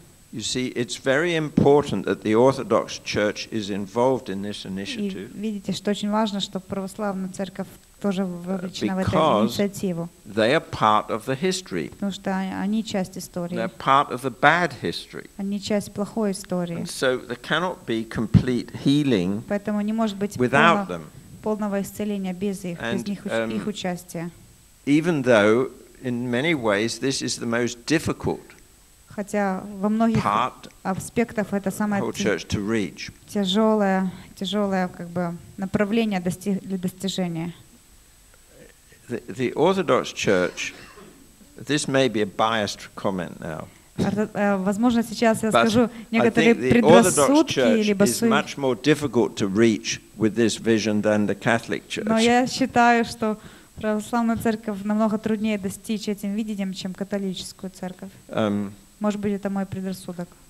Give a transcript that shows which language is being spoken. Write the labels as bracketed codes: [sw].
[en] You see, it's very important that the Orthodox Church is involved in this initiative. [ru] И видите, что очень важно, что православная церковь тоже вовлечена в эту инициативу. [en] Because they are part of the history. [ru] Потому что они часть истории. [en] They're part of the bad history. [ru] Они часть плохой истории. [en] And so there cannot be complete healing without them. [ru] Полного исцеления без их, без них их участия. [en] Even though, in many ways, this is the most difficult. [ru] Хотя во многих аспектах это самое тяжелое как бы направление для достижения. [en] The Orthodox Church, this may be a biased comment now. [ru] Возможно, сейчас я скажу некоторые предрассудки либо суеверия. [en] Is much more difficult to reach with this vision than the Catholic Church. [ru] Но я считаю, что Православная церковь намного труднее достичь этим видением, чем католическую церковь. Может быть, это мой предрассудок.